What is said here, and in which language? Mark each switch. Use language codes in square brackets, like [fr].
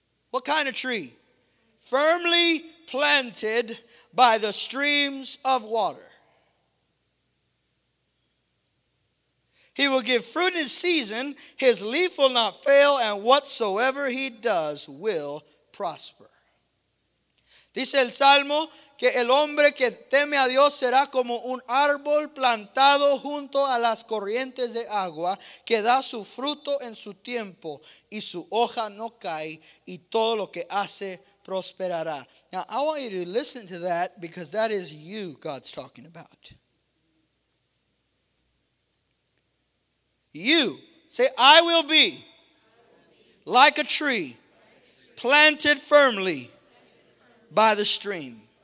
[en] What kind of tree? Firmly planted by the streams of water. He will give fruit in season. His leaf will not fail, and whatsoever he does will prosper. [es] Dice el Salmo que el hombre que teme a Dios será como un árbol plantado junto a las corrientes de agua que da su fruto en su tiempo y su hoja no cae y todo lo que hace prosperará. [en] Now I want you to listen to that because that is you God's talking about. You say, I will be like a tree planted firmly by the stream.